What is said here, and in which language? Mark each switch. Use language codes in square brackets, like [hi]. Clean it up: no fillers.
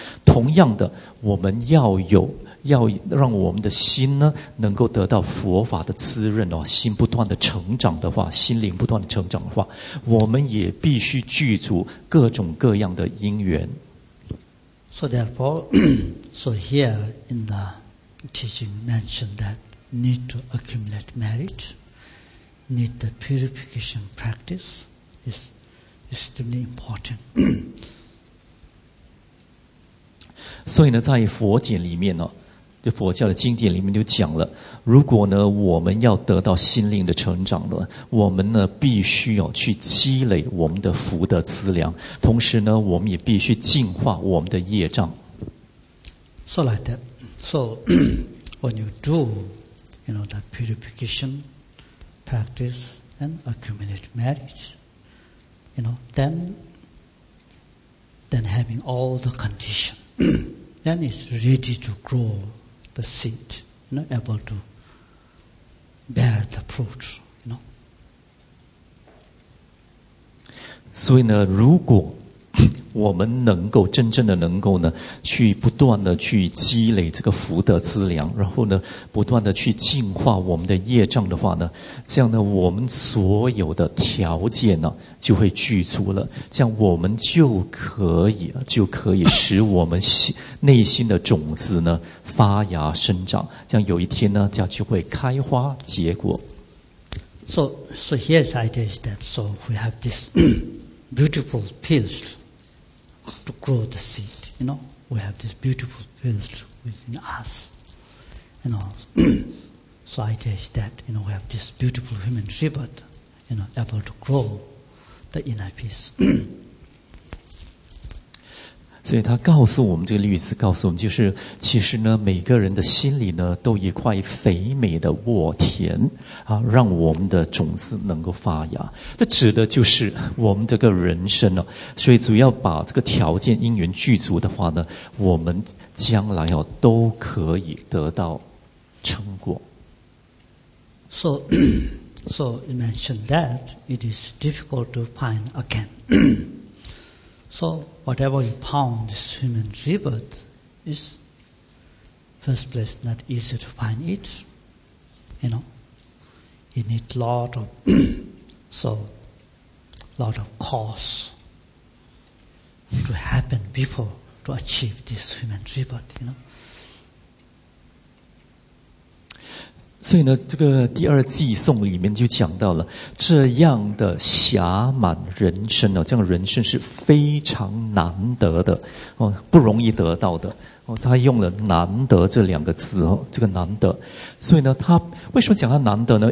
[zh] 同样的，我们要有。要让我们的心呢能够得到佛法的滋润哦，心不断的成长的话，心灵不断的成长的话，我们也必须具足各种各样的因缘。 [en] So therefore, so here in the teaching mentioned that need to accumulate merit, need the purification practice is extremely important. [zh] 所以呢，在佛典里面呢。就佛教的经典里面就讲了，如果呢我们要得到心灵的成长呢，我们呢必须要去积累我们的福德资粮，同时呢我们也必须净化我们的业障。 [en] So like that. So when you do, you know, the purification practice and accumulate merit, you know, then having all the condition, then it's ready to grow. The seed, you know, able to bear the fruit, you know. [zh] 所以呢，如果我们能够真正的能够呢，去不断的去积累这个福德资粮，然后呢，不断的去净化我们的业障的话呢，这样呢，我们所有的条件呢，就会具足了。这样我们就可以使我们内心的种子呢发芽生长。这样有一天呢，这样就会开花结果。 [en] So here's the idea is that so we have this beautiful field. To grow the seed, you know, we have this beautiful field within us, you know. So idea is that, you know, we have this beautiful human rebirth, you know, able to grow the inner peace. [zh] 所以他告诉我们这个例子，告诉我们就是，其实呢，每个人的心里呢，都一块肥美的沃田啊，让我们的种子能够发芽。这指的就是我们这个人生了、啊。所以，主要把这个条件因缘具足的话呢，我们将来哦、啊、都可以得到成果。 [en] So you mentioned that it is difficult to find again. So. Whatever you found, this human rebirth is, first place, not easy to find it. You know, you need lot of, so, lot of cause to happen before to achieve this human rebirth, you know. [zh] 所以呢，这个第二祭颂里面就讲到了这样的暇满人生，这样人生是非常难得的，不容易得到的。他用了难得这两个字，这个难得。所以呢，他为什么讲他难得呢？